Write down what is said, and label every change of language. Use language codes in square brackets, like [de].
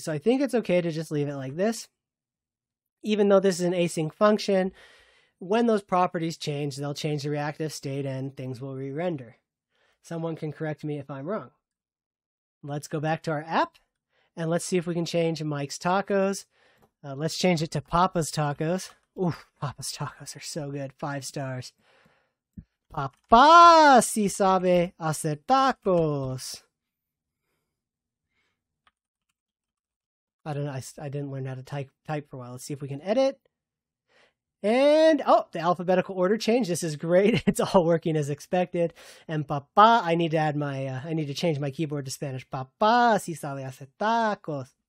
[en] So I think it's okay to just leave it like this. Even though this is an async function, when those properties change, they'll change the reactive state and things will re-render. Someone can correct me if I'm wrong. Let's go back to our app and let's see if we can change Mike's tacos. Let's change it to Papa's tacos. Ooh, Papa's tacos are so good. 5 stars. [es] Papa si sabe hacer tacos. [en] I don't know, I didn't learn how to type for a while. Let's see if we can edit. And, oh, the alphabetical order changed. This is great. It's all working as expected. And papá, I need to change my keyboard to Spanish. [es] Papá, si sabe hacer tacos.